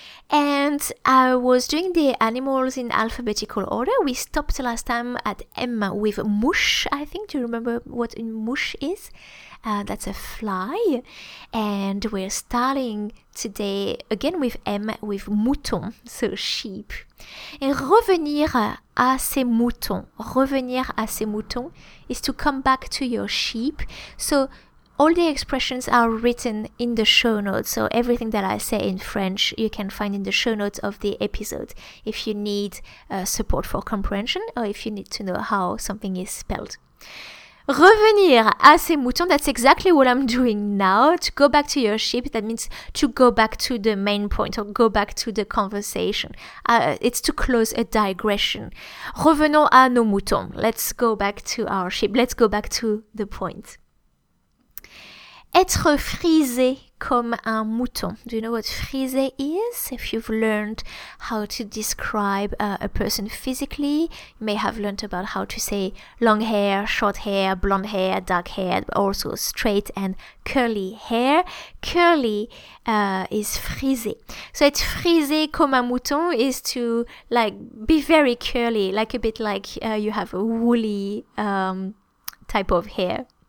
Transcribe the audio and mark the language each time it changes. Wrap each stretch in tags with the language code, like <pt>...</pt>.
<en>And I was doing the animals in alphabetical order. We stopped last time at M with mouche, I think. Do you remember what a mouche is? That's a fly. And we're starting today again with M, with mouton, so sheep.</en> <fr>Et revenir à ses moutons. Revenir à ses moutons</fr> <en>is to come back to your sheep. So all the expressions are written in the show notes, so everything that I say in French you can find in the show notes of the episode if you need support for comprehension or if you need to know how something is spelled.</en> <fr>Revenir à ses moutons,</fr> <en>that's exactly what I'm doing now. To go back to your sheep, that means to go back to the main point or go back to the conversation. It's to close a digression.</en> <fr>Revenons à nos moutons,</fr> <en>let's go back to our sheep, let's go back to the point.</en> <fr>Être frisé comme un mouton.</fr> <en>Do you know what frisé is? If you've learned how to describe a person physically, you may have learned about how to say long hair, short hair, blonde hair, dark hair, but also straight and curly hair. Curly is frisé. So</en> <fr>être frisé comme un mouton</fr> <en>is to like be very curly, like a bit like you have a woolly type of hair.</en>